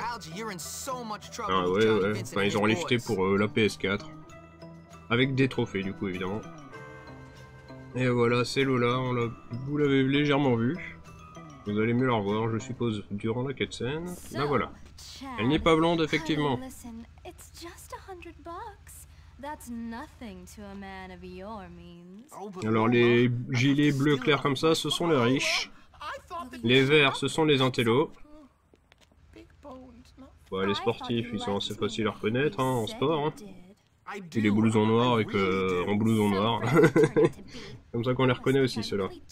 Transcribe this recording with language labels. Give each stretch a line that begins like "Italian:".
French: Ah ouais, enfin ils ont lifté pour la PS4, avec des trophées du coup évidemment. Et voilà, c'est Lola, vous l'avez légèrement vu, vous allez mieux la revoir je suppose durant la cutscene. Là voilà. Elle n'est pas blonde, effectivement.
English: Listen, it's just $100. That's nothing to a man of your means.
French: Alors, les gilets bleus clairs comme ça, ce sont les riches. Les verts, ce sont les intellos. Ouais, les sportifs, ils sont assez faciles à reconnaître, hein, en sport. Hein. Et les blousons noirs, avec en blouson noir. Comme ça qu'on les reconnaît aussi, ceux-là.